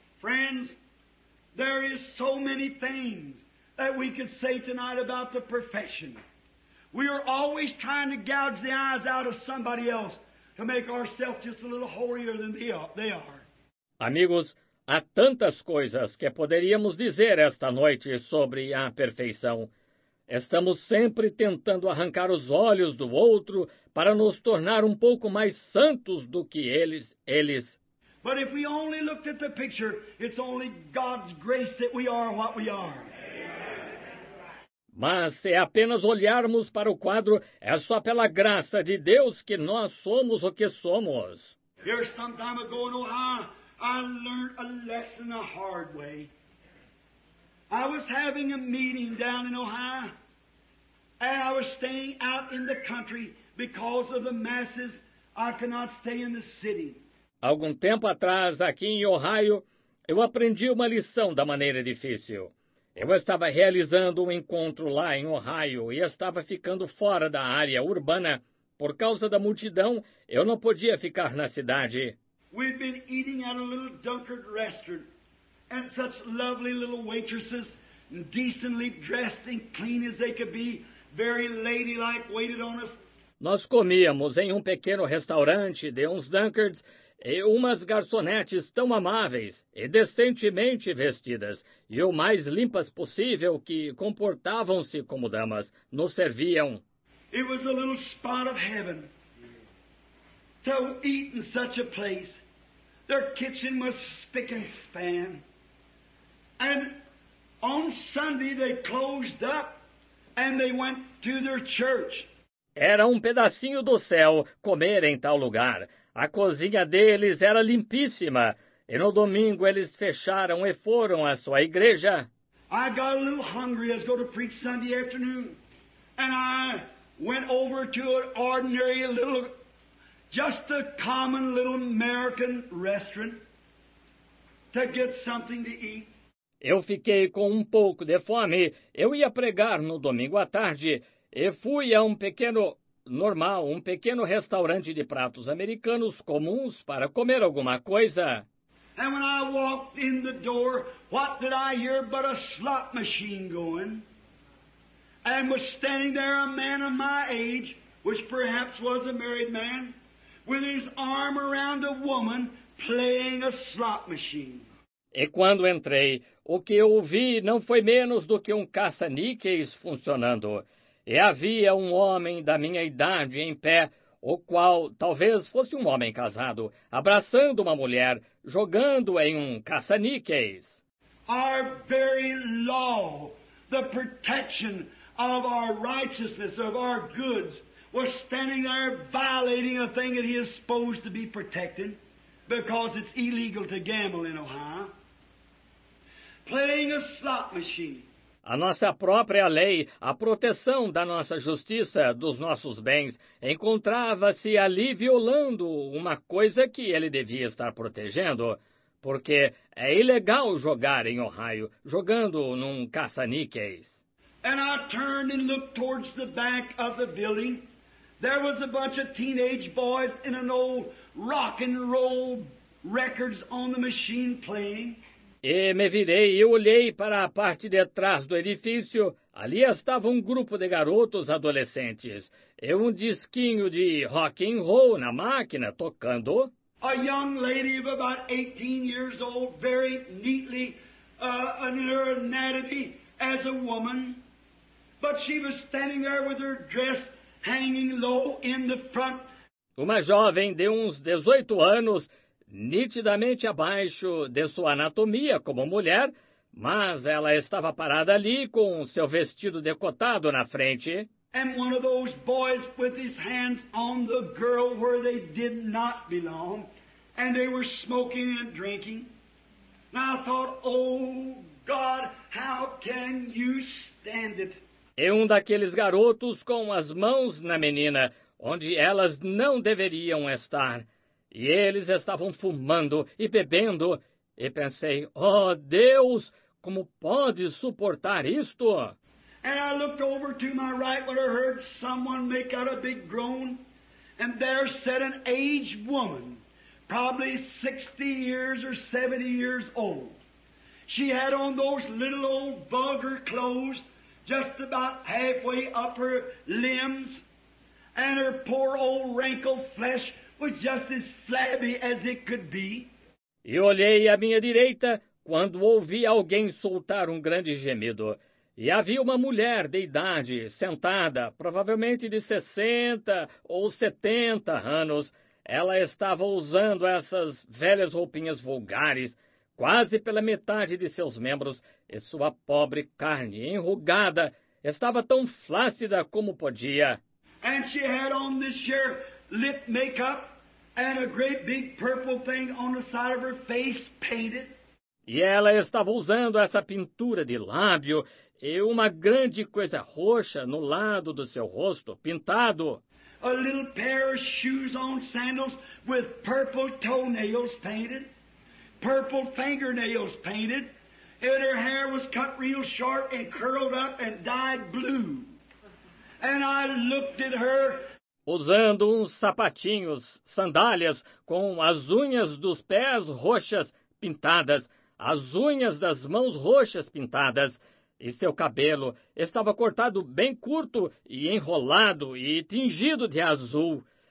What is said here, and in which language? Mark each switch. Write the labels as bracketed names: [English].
[English] Friends, there is so many things that we could say tonight about the perfection. We are always trying to gouge the eyes out of somebody else to make ourselves just a little holier than they are. [Portuguese] Amigos, há tantas coisas que poderíamos dizer esta noite sobre a perfeição. Estamos sempre tentando arrancar os olhos do outro para nos tornar um pouco mais santos do que eles. [English] But if we only looked at the picture, it's only God's grace that we are what we are. [Portuguese] Mas se apenas olharmos para o quadro, é só pela graça de Deus que nós somos o que somos. [English] Here some time ago in Ohio, I learned a lesson the hard way. I was having a meeting down in Ohio, and I was staying out in the country because of the masses. I cannot stay in the city. [Portuguese] Algum tempo atrás, aqui em Ohio, eu aprendi uma lição da maneira difícil. Eu estava realizando um encontro lá em Ohio e estava ficando fora da área urbana. Por causa da multidão, eu não podia ficar na cidade. [English] We've been eating at a little Dunkard restaurant. And such lovely little waitresses, decently dressed and clean as they could be, very ladylike, waited on us. [Portuguese] Nós comíamos em um pequeno restaurante de uns Dunkards e umas garçonetes tão amáveis e decentemente vestidas e o mais limpas possível que comportavam-se como damas, nos serviam. [English] It was a little spot of heaven to eat in such a place. Their kitchen was spick and span. And on Sunday they closed up and they went to their church. [Portuguese] Era um pedacinho do céu comer em tal lugar. A cozinha deles era limpíssima. E no domingo eles fecharam e foram à sua igreja. [English] I got a little hungry as I go to preach Sunday afternoon. And I went over to an ordinary little, just a common little American restaurant to get something to eat. [Portuguese] Eu fiquei com um pouco de fome. Eu ia pregar no domingo à tarde e fui a um pequeno restaurante de pratos americanos comuns para comer alguma coisa. [English] And when I walked in the door, what did I hear but a slot machine going? And was standing there a man of my age, which perhaps was a married man, with his arm around a woman playing a slot machine. [Portuguese] E quando entrei, o que eu ouvi não foi menos do que um caça-níqueis funcionando. E havia um homem da minha idade em pé, o qual talvez fosse um homem casado, abraçando uma mulher, jogando em um caça-níqueis. [English] Our very law, the protection of our righteousness, of our goods, was standing there violating a thing that he is supposed to be protecting, because it's illegal to gamble in Ohio. Playing a slot machine. [Portuguese] A nossa própria lei, a proteção da nossa justiça, dos nossos bens, encontrava-se ali violando uma coisa que ele devia estar protegendo, porque é ilegal jogar em Ohio, jogando num caça-níqueis. [English] And I turned and looked towards the back of the building. There was a bunch of teenage boys in an old rock and roll records on the machine playing. [Portuguese] E me virei e olhei para a parte de trás do edifício. Ali estava um grupo de garotos adolescentes e um disquinho de rock and roll na máquina tocando. [English] A young lady of about 18 years old, very neatly, in her anatomy as a woman. But she was standing there with her dress hanging low in the front. [Portuguese] Uma jovem de uns 18 anos, nitidamente abaixo de sua anatomia como mulher, mas ela estava parada ali com seu vestido decotado na frente. [English] And one of those boys with his hands on the girl where they did not belong, and they were smoking and drinking. And I thought, oh God, how can you stand it? [Portuguese] E um daqueles garotos com as mãos na menina, onde elas não deveriam estar. E eles estavam fumando e bebendo. E pensei, oh Deus, como pode suportar isto? [English] And I looked over to my right when I heard someone make out a big groan. And there sat an aged woman, probably 60 years or 70 years old. She had on those little old vulgar clothes, just about halfway up her limbs, and her poor old wrinkled flesh was just as flabby as it could be. [Portuguese] E olhei à minha direita quando ouvi alguém soltar um grande gemido. E havia uma mulher de idade, sentada, provavelmente de 60 ou 70 anos. Ela estava usando essas velhas roupinhas vulgares, quase pela metade de seus membros, e sua pobre carne enrugada estava tão flácida como podia. [English] And she had on this year lip makeup and a great big purple thing on the side of her face painted. [Portuguese] E ela estava usando essa pintura de lábio e uma grande coisa roxa no lado do seu rosto pintado. [English] A little pair of shoes on sandals with purple toenails painted. Purple fingernails painted, and her hair was cut real short and curled up and dyed blue. And I looked at her. [Portuguese] Usando uns sapatinhos, sandálias, com as unhas dos pés roxas pintadas, as unhas das mãos roxas pintadas, e seu cabelo estava cortado bem curto e enrolado e tingido de azul.